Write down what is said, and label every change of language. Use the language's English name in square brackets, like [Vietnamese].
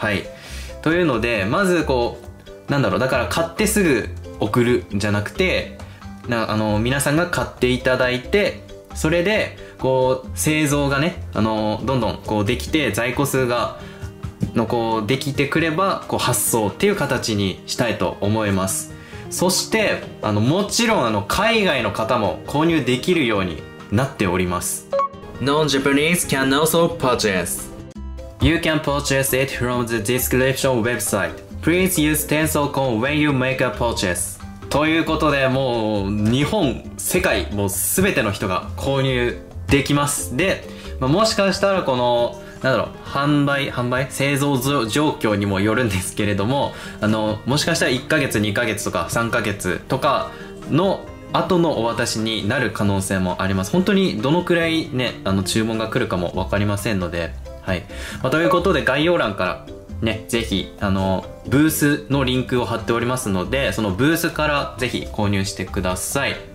[Japanese] はい、というのでまずこうなんだろう、だから買ってすぐ送るんじゃなくて、なあの皆さんが買っていただいて、それでこう製造がね、あのどんどんこうできて、在庫数がのこうできてくればこう発送っていう形にしたいと思います。そしてあのもちろんあの海外の方も購入できるようになっております。 [English] Non-Japanese can also purchase. You can purchase it from the description website. Please use TENSOL CON when you make a purchase. [Japanese] ということで、もう日本、世界、もう全ての人が購入できます。で、まあ、もしかしたらこのなんだろう、販売製造状況にもよるんですけれども、あのもしかしたら1ヶ月2ヶ月とか3ヶ月とかの後のお渡しになる可能性もあります。本当にどのくらいね、あの注文が来るかも分かりませんので、はい、まあ、ということで概要欄からね、ぜひあのブースのリンクを貼っておりますので、そのブースからぜひ購入してください。